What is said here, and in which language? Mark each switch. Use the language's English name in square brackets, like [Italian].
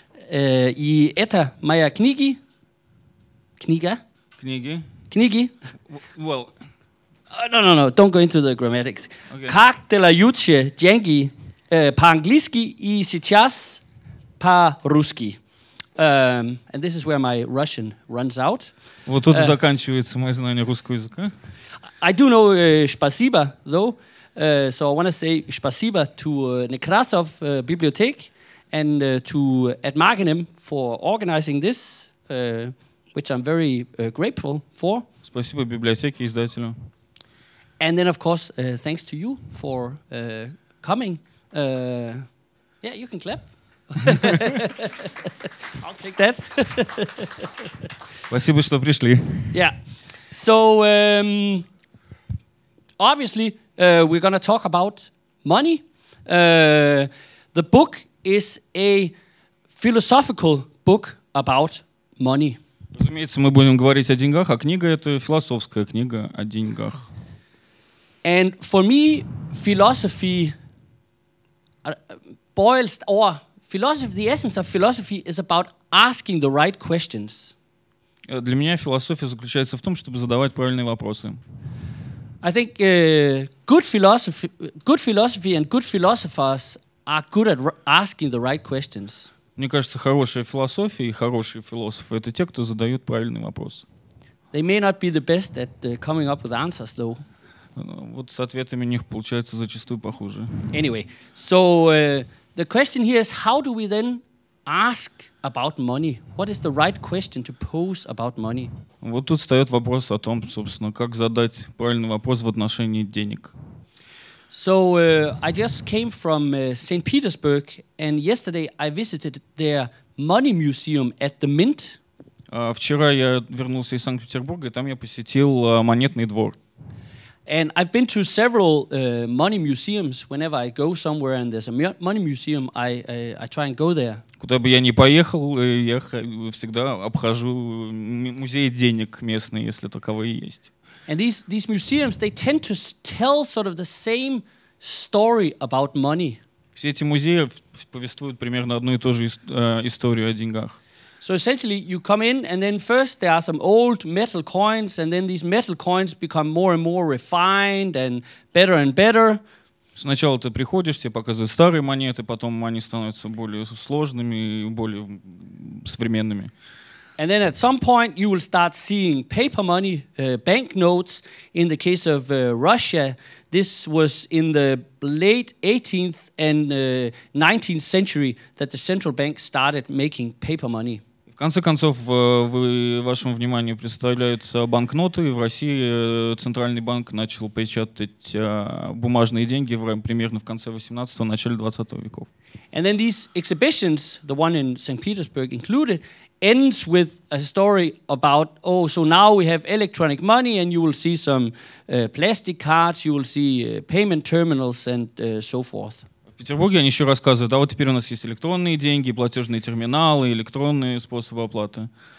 [Russian] И это моя книга. Книги. Well. [English] No. Don't go into the grammatics. Okay. [Russian] Как делаются деньги по-английски и сейчас по-русски. [English] And this is where my Russian runs out. [Russian] Вот тут заканчивается мое знание русского языка. [English] I do know спасибо, though. So I want to say спасибо to Некрасов библиотек and to Ad Marginem for organizing this, which I'm very grateful for. [Russian] Спасибо библиотеке и издателю. [English] And then, of course, thanks to you for coming. Yeah, you can clap. I'll take that. [Russian] Спасибо, что пришли. [English] Yeah. So, obviously, we're going to talk about money. The book is a philosophical book about money. [Russian] Разумеется, мы будем говорить о деньгах, а книга — это философская книга о деньгах. [English] And for me, philosophy boils, or philosophy, the essence of philosophy is about asking the right questions. [Russian] Для меня философия заключается в том, чтобы задавать правильные вопросы. [English] I think good philosophy and good philosophers are good at asking the right questions. [Russian] Мне кажется, хорошая философия и хорошие философы — это те, кто задают правильные вопросы. [English] They may not be the best at coming up with answers, though. [Russian] Вот с ответами у них получается зачастую похуже. [English] Anyway, so the question here is, how do we then ask about money? What is the right question to pose about money? [Russian] Вот тут встает вопрос о том, собственно, как задать правильный вопрос в отношении денег. [English] So I just came from St. Petersburg, and yesterday I visited their money museum at the Mint. [Russian] Вчера я вернулся из Санкт-Петербурга, и там я посетил монетный двор. [English] And I've been to several money museums. Whenever I go somewhere and there's a money museum, I try and go there. [Russian] Куда бы я ни поехал, я всегда обхожу музей денег местные, если таковые есть. [English] And these museums, they tend to tell sort of the same story about money. [Russian] Все эти музеи повествуют примерно одну и ту же историю о деньгах. [English] So essentially, you come in, and then first there are some old metal coins, and then these metal coins become more and more refined and better and better. [Russian] Сначала ты приходишь, тебе показывают старые монеты, потом они становятся более сложными и более современными. [English] And then at some point you will start seeing paper money, banknotes. In the case of Russia, this was in the late 18th and 19th century that the central bank started making paper money. [Russian] В конце концов, вашему вниманию представляются банкноты, и в России центральный банк начал печатать бумажные деньги примерно в конце 18-го, начале 20-го веков. [English] And then these exhibitions, the one in St. Petersburg included, ends with a story about, oh, so now we have electronic money, and you will see some plastic cards, you will see payment terminals, and so forth. [Russian] В Петербурге они еще рассказывают, а вот теперь у нас есть электронные деньги, платежные терминалы, электронные способы оплаты.